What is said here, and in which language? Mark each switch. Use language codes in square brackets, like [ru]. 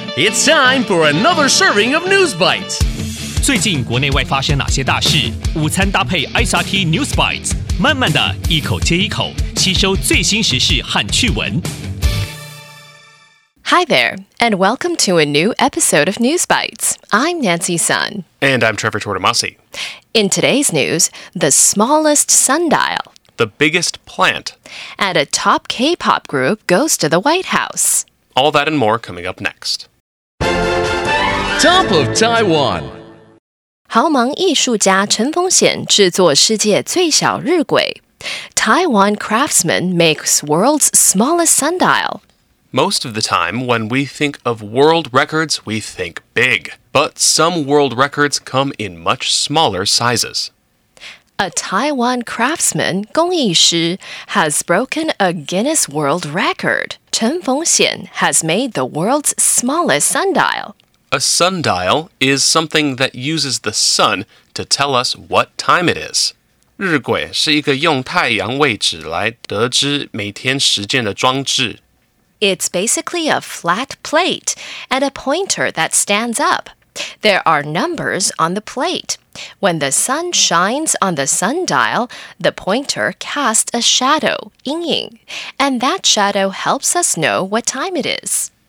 [en] It's time for another serving of News Bites. [zh] 最近国内外发生哪些大事？午餐搭配 SRT News Bites， 慢慢的一口接一口，吸收最新时事和趣闻。 [en] Hi there, and welcome to a new episode of News Bites. I'm Nancy Sun. And I'm Trevor Tortomasi. In today's news, the smallest sundial. The biggest plant. And a top K-pop group goes to the White House. All that and more coming up next. Top of Taiwan. [zh] 毫芒艺术家陈逢显制作世界最小日晷。 [en] Taiwan Craftsman makes world's smallest sundial. Most of the time, when we think of world records, we think big. But some world records come in much smaller sizes. A Taiwan craftsman, 工艺师, has broken a Guinness World Record. Chen Forng-shean has made the world's smallest sundial. A sundial is something that uses the sun to tell us what time it is. [zh] 日晷是一个用太阳位置来得知每天时间的装置。 [en] It's basically a flat plate and a pointer that stands up. There are numbers on the plate. When the sun shines on the sundial, the pointer casts a shadow, 阴影, and that shadow helps us know what time it is.